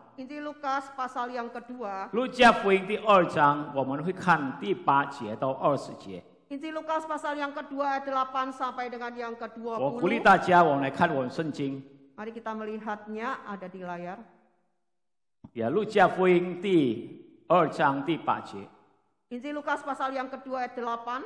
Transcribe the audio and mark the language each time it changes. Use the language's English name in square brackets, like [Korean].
[Indonesian] Injil Lukas pasal yang kedua. [Chinese] 路加福音第二章，我们会看第8节到20节。 [Indonesian] Injil Lukas pasal yang kedua ayat 8 sampai dengan yang ke-20. [Chinese] 我鼓励大家，我们来看我们圣经。 [Indonesian] Mari kita melihatnya ada di layar. [Chinese] Ya, Lukas福音第二章第八节。 [Indonesian] Injil Lukas pasal yang kedua ayat 8.